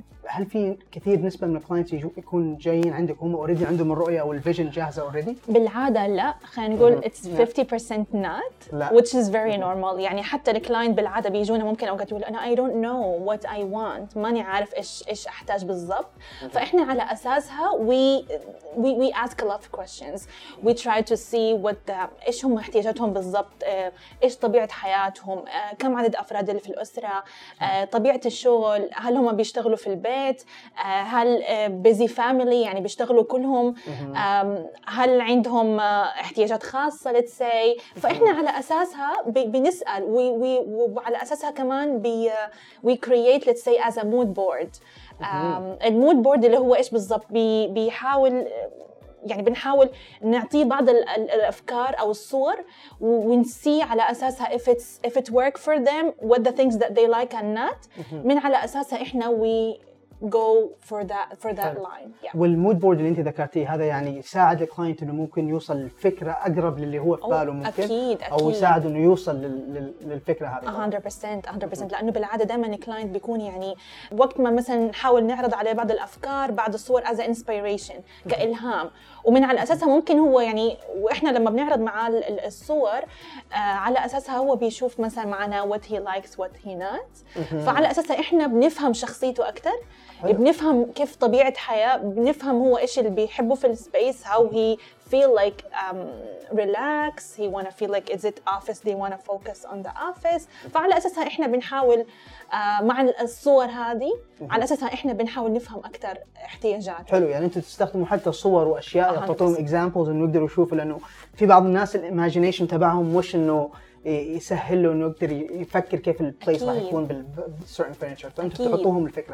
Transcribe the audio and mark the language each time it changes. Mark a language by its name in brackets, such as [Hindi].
[Arabic] هل في كثير نسبة من الكلاينتس يكون جايين عندك هم اوريدي عندهم الرؤية والفيجن جاهزة اوريدي؟ بالعادة لا، خلينا نقول [English] it's 50% not [Arabic] لا. [English] which is very normal. [Arabic] يعني حتى الكلاينت بالعادة بيجونا ممكن اوقات يقول انا [English] I don't know what I want، [Arabic] ماني عارف ايش احتاج بالضبط. [English] فاحنا على اساسها we ask a lot of questions. We try to see [Arabic] ايش هم احتياجاتهم بالضبط، ايش طبيعة حياتهم، كم عدد افراد اللي في الاسرة، طبيعة الشغل، هل هم بيشتغلوا في البيت، هل بيزي فاميلي يعني بيشتغلوا كلهم، هل عندهم احتياجات خاصة let's say. فإحنا على أساسها بنسأل وعلى أساسها كمان [English] we create let's say as a mood board. [Arabic] المود بورد اللي هو إيش بالضبط بيحاول يعني بنحاول نعطيه بعض الأفكار أو الصور ونسي على أساسها [English] if it work for them what the things that they like and not. من على أساسها إحنا we go for that line. yeah. [Arabic] والمود بورد اللي أنت ذكرتيه هذا يعني يساعد الكلاينت إنه ممكن يوصل الفكرة أقرب للي هو في باله ممكن أكيد. أو يساعد إنه يوصل للفكرة هذا 100% لأنه بالعادة دائما الكلاينت بيكون يعني وقت ما مثلا نحاول نعرض عليه بعض الأفكار بعض الصور as inspiration كإلهام ومن على أساسها ممكن هو يعني وإحنا لما بنعرض معاه الصور على أساسها هو بيشوف مثلا معنا [English] what he likes what he not. [Arabic] فعلى أساسها إحنا بنفهم شخصيته أكثر. حلو. بنفهم كيف طبيعة حياة بنفهم هو إيش اللي بيحبه في السبيس [English] how he feel like relax he wanna feel like is it office they wanna focus on the office. [Arabic] فعلى أساسها إحنا بنحاول مع الصور هذه على أساسها إحنا بنحاول نفهم أكثر احتياجاته. حلو. يعني أنتوا تستخدموا حتى الصور وأشياء يعطون [English] examples [Arabic] إنه يقدروا يشوفوا لأنه في بعض الناس الإيماجينيشن تبعهم مش إنه يسهل له انه يقدر يفكر كيف البلايس راح يكون بالسيرتن فرنتشر فانت تحطوهم الفكره